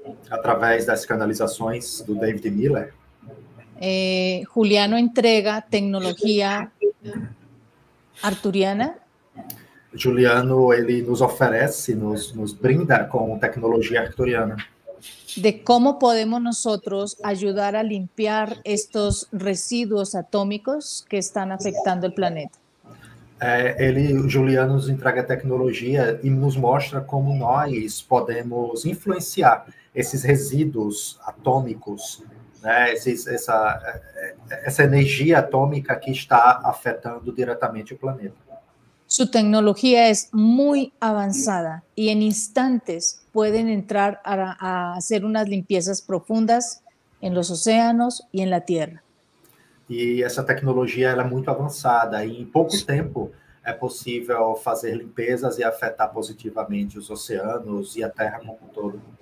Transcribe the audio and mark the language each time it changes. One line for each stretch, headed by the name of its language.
Portuguese: Através das canalizações do David Miller. Juliano entrega tecnologia arturiana. Juliano, ele nos oferece, nos brinda com tecnologia arturiana.
Spanish: De como podemos nosotros ajudar a limpiar estos residuos atómicos que están afectando el planeta.
Portuguese: Juliano nos entrega tecnologia e nos mostra como nós podemos influenciar esses resíduos atômicos, né? Essa energia atômica que está afetando diretamente o planeta.
Spanish: Su tecnología es muy avanzada y en instantes pueden entrar a hacer unas limpiezas profundas en los océanos y en la tierra. Y esa tecnología es muy avanzada y en poco tiempo es posible hacer limpiezas y afectar positivamente los océanos y la tierra como un todo.